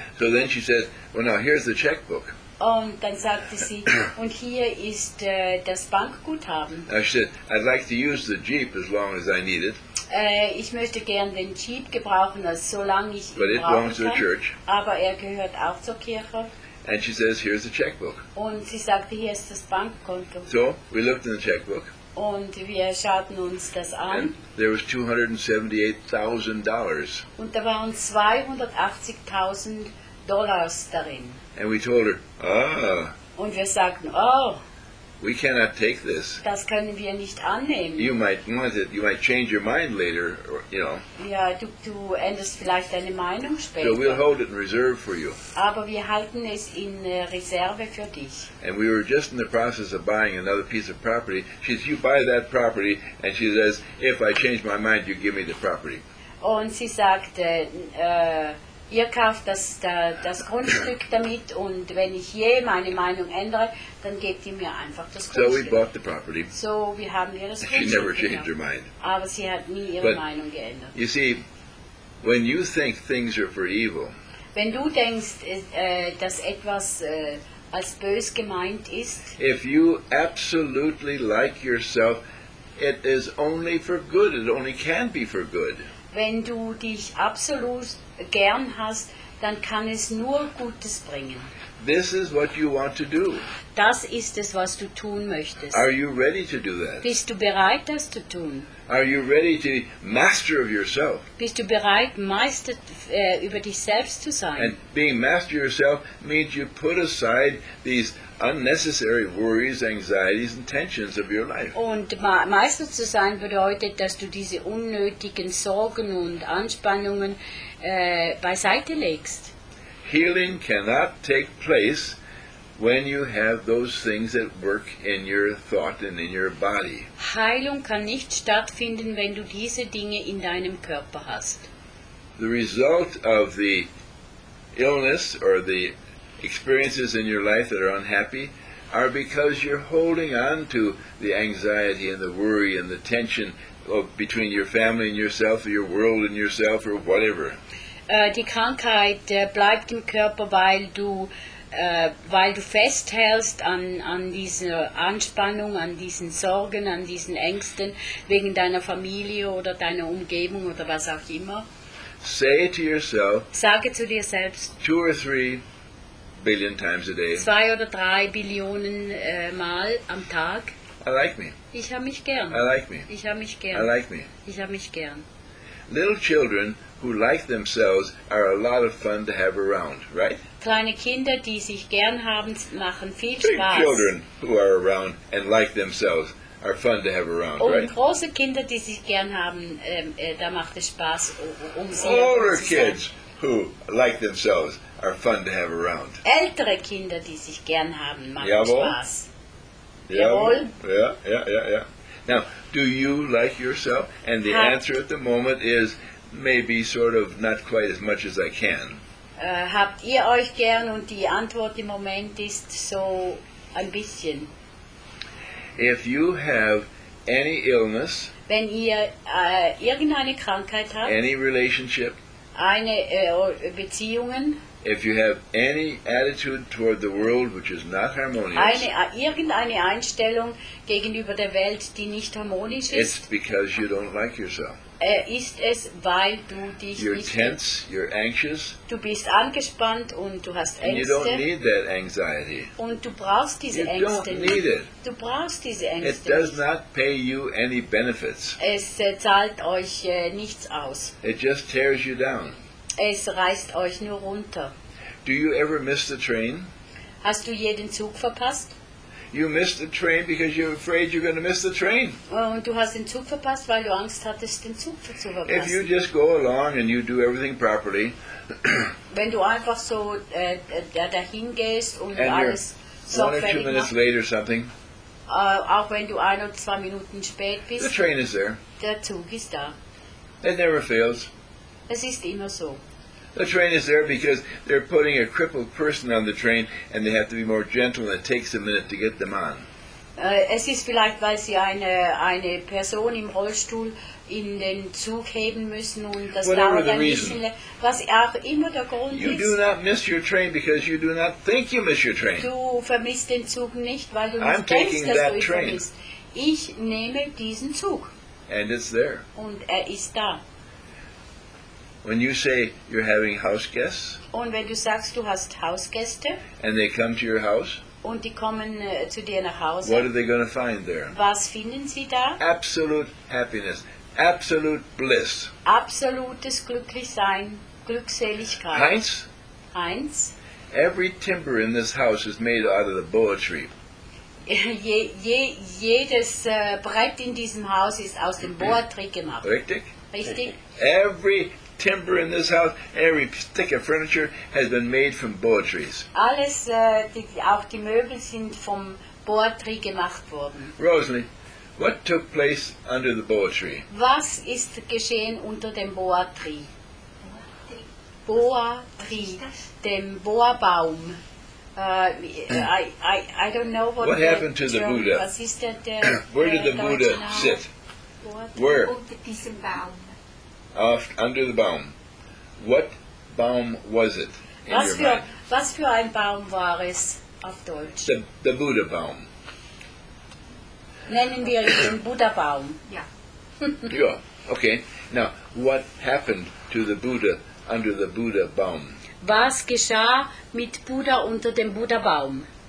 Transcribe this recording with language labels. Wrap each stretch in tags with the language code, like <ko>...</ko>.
<en>So then she says, well now here's the checkbook.</en> <de>Und dann sagte sie, und hier ist das Bankguthaben.</de> <en>Now she said, I'd like to use the Jeep as long as I need it.</en> <de>Ich möchte gern den Jeep gebrauchen, solange ich ihn brauche.</de> <en>But it belongs to the church.</en> <de>Aber gehört auch zur Kirche.</de> <en>And she says, here's the checkbook.</en> <de>Und sie sagte, hier ist das Bankkonto.</de> <en>So we looked in the checkbook.</en> <de>Und wir schauten uns das an.</de> <en>And there was $278,000.</en> <de>Und da waren $280,000 darin.</de> <en>And we told her, ah.</en> <de>Und wir sagten, oh.</de> <en>We cannot take this.</en> <de>Das können wir nicht annehmen.</de> <en>You might want it. You might change your mind later, or, you know.</en> <de>Ja, du änderst vielleicht deine Meinung später.</de> <en>So we'll hold it in reserve for you.</en> <de>Aber wir halten es in Reserve für dich.</de> <en>And we were just in the process of buying another piece of property. She says, you buy that property, and she says, if I change my mind, you give me the property.</en> <de>Und sie sagte, ihr kauft das Grundstück damit und wenn ich je meine Meinung ändere, dann gebt ihr mir einfach das Grundstück.</de> <en>So we bought the property.</en> <de>So wir haben ihr das Grundstück.</de> <en>She never changed her mind.</en> <de>Aber sie hat nie ihre Meinung geändert.</de> <en>You see, when you think things are for evil,</en> <de>wenn du denkst, dass etwas als bös gemeint ist,</de> <en>if you absolutely like yourself, it is only for good. It only can be for good.</en> <de>Wenn du dich absolut gern hast, dann kann es nur Gutes bringen.</de> <en>This is what you want to do.</en> <de>Das ist es, was du tun möchtest.</de> <en>Are you ready to do that?</en> <de>Bist du bereit, das zu tun?</de> <en>Are you ready to be master of yourself?</en> <de>Bist du bereit, Meister über dich selbst zu sein?</de> <en>And being master of yourself means you put aside these unnecessary worries, anxieties and tensions of your life.</en> <de>Und Meister zu sein bedeutet, dass du diese unnötigen Sorgen und Anspannungen beiseite legst.</de> <en>Healing cannot take place when you have those things at work in your thought and in your body.</en> <de>Heilung kann nicht stattfinden, wenn du diese Dinge in deinem Körper hast.</de> <en>The result of the illness or the experiences in your life that are unhappy are because you're holding on to the anxiety and the worry and the tension between your family and yourself or your world and yourself or whatever.</en> <de>Die Krankheit bleibt im Körper, weil du festhältst an dieser Anspannung, an diesen Sorgen, an diesen Ängsten wegen deiner Familie oder deiner Umgebung oder was auch immer.</de> <en>Say to yourself,</en> <de>sage zu dir selbst,</de> <en>2 or 3 billion times a day.</en> <de>2 oder 3 Billionen Mal am Tag.</de> <en>I like me.</en> <de>Ich habe mich gern.</de> <en>I like me.</en> <de>Ich habe mich gern.</de> <en>I like me.</en> <de>Ich habe mich gern.</de> <en>Little children who like themselves are a lot of fun to have around, right?</en> <de>Kleine Kinder, die sich gern haben, machen viel Spaß.</de> <en>Big children who are around and like themselves, are fun to have around,</en> <de>und</de> <en>right?</en> <de>Große Kinder, die sich gern haben, da macht es Spaß, um sie</de> <en>older kids who like themselves are fun to have around.</en> <de>Ältere Kinder, die sich gern haben, machen Jawohl. Spaß. Jawohl.</de> <en>Yeah. Now, do you like yourself? And the answer at the moment is maybe sort of not quite as much as I can.</en> <de>Habt ihr euch gern? Und die Antwort im Moment ist so ein bisschen.</de> <en>If you have any illness,</en> <de>wenn ihr irgendeine Krankheit habt,</de> <en>any relationship,</en> <de>eine Beziehungen,</de> <en>if you have any attitude toward the world which is not harmonious,</en> <de>eine irgendeine Einstellung gegenüber der Welt, die nicht harmonisch ist,</de> <en>it's because you don't like yourself.</en> <de>Ist es, weil du dich</de> <en>you're</en> <de>nicht</de> <en>tense, you're anxious,</en> <de>du bist angespannt und du hast Ängste.</de> <en>And you don't need that anxiety.</en> <de>Und du brauchst diese</de> <en>you</en> <de>Ängste</de> <en>don't need</en> <de>nicht.</de> <en>It.</en> <de>Du brauchst diese Ängste</de> <en>it does not pay you any benefits.</en> <de>Es zahlt euch nichts aus.</de> <en>It just tears you down.</en> <de>Es reißt euch nur runter.</de> <en>Do you ever miss the train?</en> <de>Hast du jeden Zug verpasst?</de> <en>You missed the train because you're afraid you're going to miss the train.</en> <de>Und du hast den Zug verpasst, weil du Angst hattest, den Zug zu verpassen.</de> <en>If you just go along and you do everything properly,</en> <de>wenn du einfach so dahin gehst und</de> <en>and</en> <de>alles so</de> <en>one or two minutes later something,</en> <de>auch wenn du ein oder zwei Minuten spät bist,</de> <en>the train is there.</en> <de>Der Zug ist da.</de> <en>It never fails.</en> <de>Es ist immer so.</de> <en>The train is there because they're putting a crippled person on the train and they have to be more gentle and it takes a minute to get them on.</en> <de>Es ist vielleicht, weil sie eine Person im Rollstuhl in den Zug heben müssen und das dauert ein bisschen, was auch immer der Grund ist.</de> <en>You do not miss your train because you do not think you miss your train.</en> <de>Du vermisst den Zug nicht, weil du nicht denkst, dass du ihn vermisst. Ich nehme diesen Zug.</de> <en>And it's there.</en> <de>Und er ist da.</de> <en>When you say you're having house guests,</en> <de>und wenn du sagst, du hast Hausgäste,</de> <en>and they come to your house,</en> <de>und die kommen zu dir nach Hause,</de> <en>what are they going to find there?</en> <de>Was finden sie da?</de> <en>Absolute happiness, absolute bliss,</en> <de>absolutes Glücklichsein, Glückseligkeit.</de> <en>Heinz, every timber in this house is made out of the boa tree.</en> <de>Jedes Brett in diesem Haus ist aus dem Boa Tree gemacht. Richtig.</de> <en>Every timber in this house, every stick of furniture has been made from boa trees.</en> <de>Alles, auch die Möbel sind vom Boa Tree gemacht worden.</de> <en>Rosalie, what took place under the boa tree?</en> <de>Was ist geschehen unter dem Boa Tree? Boa Tree, dem Boa Baum.</de> <en>I don't know what. What happened to the Buddha?</en> <de>Was ist der, der</de> <en>where did the Buddha sit? Where?</en> <de>Unter diesem Baum.</de> <en>Under the baum. What baum was it? In</en> <de>was,</de> <en>your</en> <de>für,</de> <en>mind?</en> <de>Was für ein Baum war es auf Deutsch?</de> <en>The Buddha Baum.</en> <de>Nennen wir ihn den Buddha Baum. Ja. Ja, okay.</de> <en>Now, what happened to the Buddha under the Buddha Baum?</en> <de>Was geschah mit Buddha unter dem Buddha Baum?</de>